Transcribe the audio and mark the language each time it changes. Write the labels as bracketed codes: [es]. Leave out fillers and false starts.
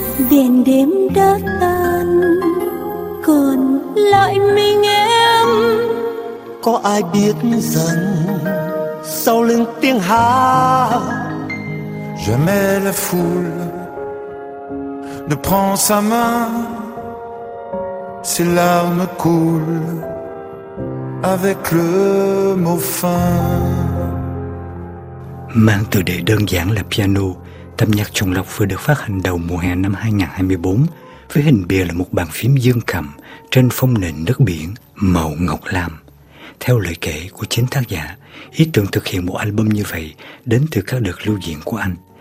[vi] đèn đêm đã tan còn lại mình em. Có ai biết rằng sau lưng tiếng hát, [fr] jamais la foule ne prend sa main, ses larmes coulent avec le mot fin. [vi] Mang tựa đề đơn giản là Piano, tập nhạc chọn lọc vừa được phát hành đầu mùa hè năm 2024 với hình bìa là một bàn phím dương cầm trên phông nền nước biển màu ngọc lam. Theo lời kể của chính tác giả, ý tưởng thực hiện một album như vậy đến từ các đợt lưu diễn của anh.